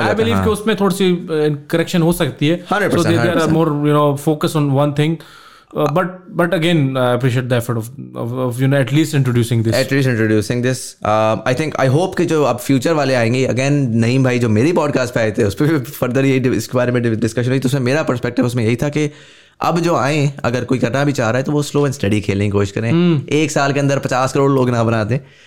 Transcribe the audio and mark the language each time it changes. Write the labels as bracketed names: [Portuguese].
[English] I believe [Urdu] کہ اس میں تھوڑی سی کریکشن ہو سکتی ہے. [English] 100% there are more you know focus on one thing. But again, I appreciate the effort of you know, at least introducing this. I think, I hope [Urdu] کہ جو اب future والے آئیں گے, اگین نعیم بھائی جو میرے پوڈ کاسٹ پہ آئے تھے اس پہ بھی فردر یہی اس کے بارے میں ڈسکشن ہوئی, تو اس میں میرا پرسپیکٹو اس میں یہی تھا کہ اب جو آئیں اگر کوئی کرنا بھی چاہ رہا ہے تو وہ [English] slow and steady [Urdu] کھیلنے کی کوشش کریں. ایک سال کے اندر 50 crore لوگ نہ بنا دیں.